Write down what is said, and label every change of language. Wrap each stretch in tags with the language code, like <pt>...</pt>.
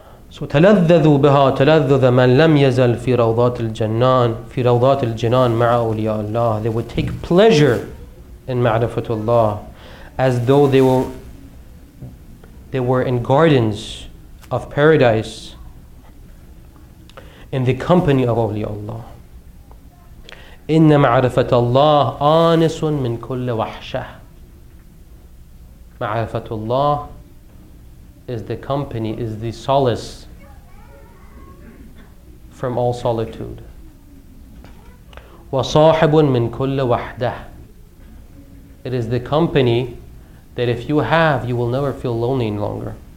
<ar>So تلذذوا بها تلذذ من لم يزل في روضات الجنان في روضات الجنان مع أولياء الله.</ar> <en>They would take pleasure in ma'rifatullah as though they were in gardens of paradise in the company of</en> <ar>أولياء الله. إن معرفة الله آنس من كل وحشة. معرفة الله</ar> <en>is the company, is the solace from all solitude.</en> <ar>وصاحب من كل وحدة.</ar> <en>It is the company that if you have, you will never feel lonely any longer.</en>